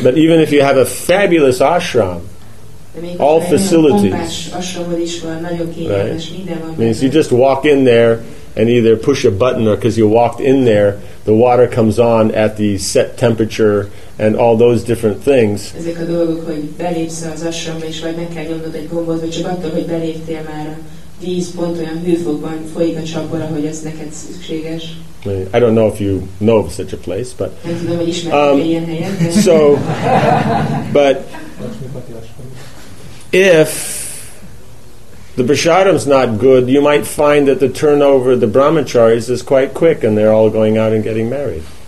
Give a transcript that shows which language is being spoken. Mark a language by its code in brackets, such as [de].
[en] But even if you have a fabulous ashram, all facilities, right? Means you just walk in there and either push a button, or because you walked in there, the water comes on at the set temperature and all those different things. [hu] Ezek a dolgok, hogy belépsz az asramba, és vagy meg kell nyomnod egy gombot, vagy csak attól, hogy beléptél már a víz pont olyan hőfokban folyik a csapor, ahogy ez neked szükséges. [en] I don't know if you know of such a place, but but if the Brahmacharya's not good, you might find that the turnover of the Brahmacharya's is quite quick and they're all going out and getting married.